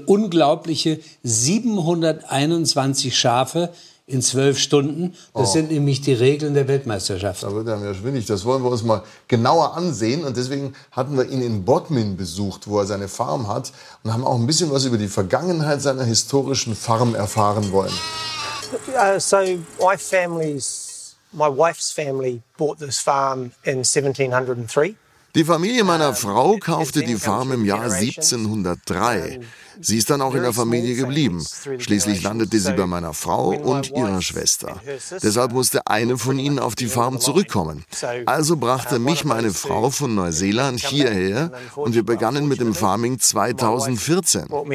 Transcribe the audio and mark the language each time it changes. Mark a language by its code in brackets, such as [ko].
[de] Unglaubliche 721 Schafe in 12 Stunden. Das sind nämlich die Regeln der Weltmeisterschaft. Da wird er mir schwindig. Das wollen wir uns mal genauer ansehen. Und deswegen hatten wir ihn in Bodmin besucht, wo er seine Farm hat. Und haben auch ein bisschen was über die Vergangenheit seiner historischen Farm erfahren wollen. [en] So, my family's, my wife's family bought this farm in 1703. [de] Die Familie meiner Frau kaufte die Farm im Jahr 1703. Sie ist dann auch in der Familie geblieben. Schließlich landete sie bei meiner Frau und ihrer Schwester. Deshalb musste eine von ihnen auf die Farm zurückkommen. Also brachte mich meine Frau von Neuseeland hierher und wir begannen mit dem Farming 2014.